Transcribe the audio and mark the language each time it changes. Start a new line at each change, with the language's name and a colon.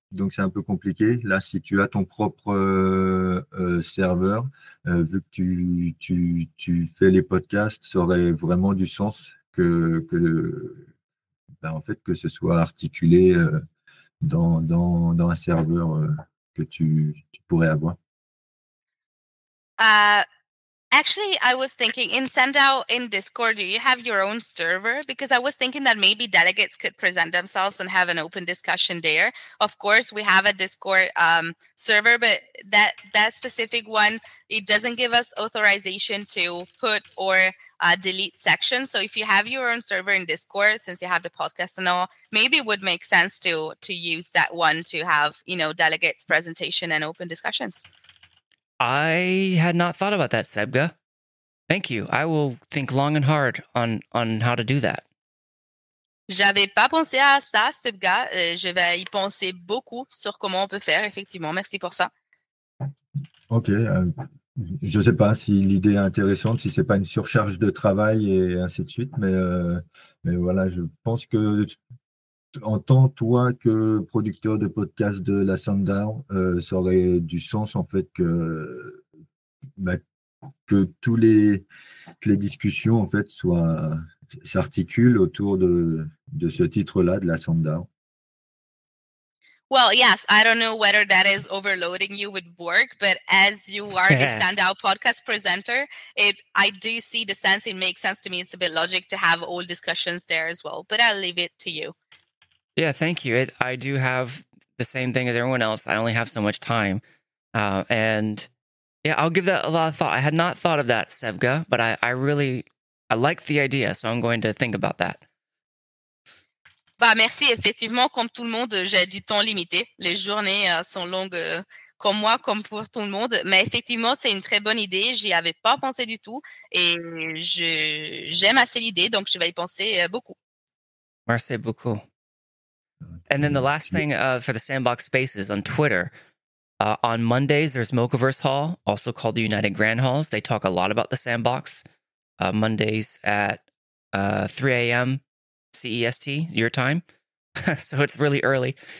French: Donc, c'est un peu compliqué. Là, si tu as ton propre serveur, vu que tu fais les podcasts, ça aurait vraiment du sens en fait, que ce soit articulé dans un serveur que tu pourrais avoir.
English: Actually, I was thinking in Sendao, in Discord, do you have your own server? Because I was thinking that maybe delegates could present themselves and have an open discussion there. Of course, we have a Discord server, but that specific one, it doesn't give us authorization to put or delete sections. So if you have your own server in Discord, since you have the podcast and all, maybe it would make sense to use that one to have, you know, delegates presentation and open discussions. I had not thought about that, Sebga. Thank you. I will think long and hard on how to do that.
French: J'avais pas pensé à ça, Sebga. Je vais y penser beaucoup sur comment on peut faire, effectivement. Merci pour ça. Ok. Je ne sais pas si l'idée est intéressante, si ce n'est pas une surcharge de travail et ainsi de suite, mais voilà, je pense que. En tant toi que producteur de podcast de la Sundown, ça aurait du sens en fait que tous les discussions en fait soient s'articulent autour de ce titre-là de la Sundown.
English: Well, yes, I don't know whether that is overloading you with work, but as you are the standout podcast presenter, I do see the sense. It makes sense to me. It's a bit logic to have all discussions there as well, but I'll leave it to you. Yeah, thank you. I do have the same thing as everyone else. I only have so much time. And yeah, I'll give that a lot of thought. I had not thought of that, Sevga, but I like the idea, so I'm going to think about that.
French: Bah, merci. Effectivement, comme tout le monde, j'ai du temps limité. Les journées sont longues comme moi, comme pour tout le monde. Mais effectivement, c'est une très bonne idée. J'y avais pas pensé du tout. Et j'aime assez l'idée, donc je vais y penser beaucoup. Merci beaucoup.
English: And then the last thing for the sandbox spaces on Twitter, on Mondays, there's Mochaverse Hall, also called the United Grand Halls. They talk a lot about the sandbox. Mondays at 3 a.m. CEST, your time. So it's really early.